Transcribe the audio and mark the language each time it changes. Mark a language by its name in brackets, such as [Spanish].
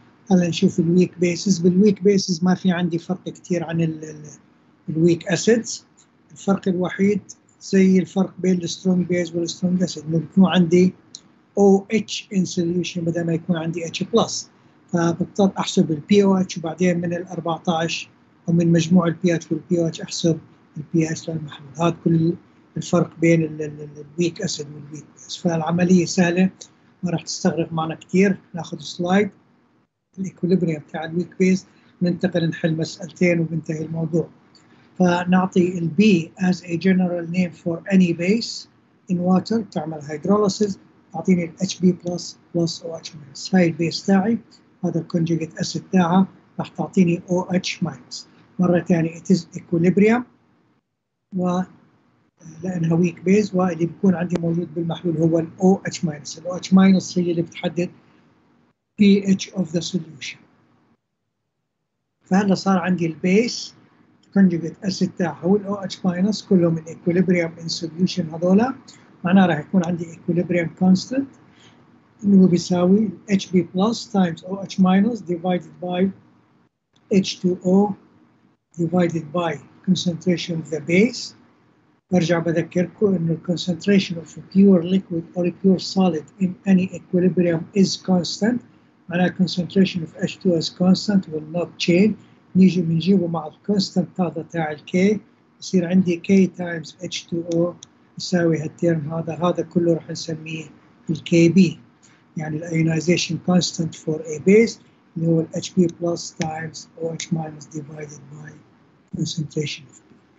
[Arabic] هلا نشوف الويك بيسز. بالويك بيسز ما في عندي فرق كتير عن الويك أسيدز، الفرق الوحيد زي الفرق بين السترونج بيس والسترونج أسيد، ممكن عندي [English] OH in solution [Arabic] بدل ما يكون عندي H plus، فبضطر أحسب الـ pOH وبعدين من الـ 14 ومن مجموع الـ pH والـ pOH أحسب الـ pH للمحلول. هذا كل الفرق بين الـ [English] weak acid [Arabic] والـ [English] weak base. [Arabic] فالعملية سهلة ما راح تستغرق معنا كتير. نأخذ سلايد الإكوليبريم تاع الـ weak base، ننتقل نحل مسألتين وبنتهي الموضوع. فنعطي الـ [English] B as a general name for any base in water تعمل hydrolysis، أعطيني الـ HB plus plus OH minus. [Arabic] هاي البيس تاعي، هذا الكونجيجيت أسيد تاعها راح تعطيني OH minus. مرة تانية [English] it is equilibrium [Arabic] لأنها weak base، واللي بيكون عندي موجود بالمحلول هو الـ OH minus. [English] الـ OH minus [Arabic] هي اللي بتحدد [English] pH of the solution. [Arabic] فهلا صار عندي البيس الكونجيجيت أسيد تاعها هو [English] الـ OH minus، كلهم الـ equilibrium in solution هذولا، معناها راح يكون عندي equilibrium constant اللي هو بيساوي HB plus times OH minus divided by H2O divided by concentration of the base. [Arabic] برجع بذكركم انه [English] concentration of pure liquid or pure solid in any equilibrium is constant، معناها concentration of H2O is constant will not change. [Arabic] نيجي بنجيبه مع ال constant هذا تاع ال K، يصير عندي K times H2O يساوي هالترم هذا، هذا كله راح نسميه الـ KB، يعني الـ [English] ionization constant for a base [Arabic] اللي هو الـ [English] HB plus times OH minus divided by concentration of B.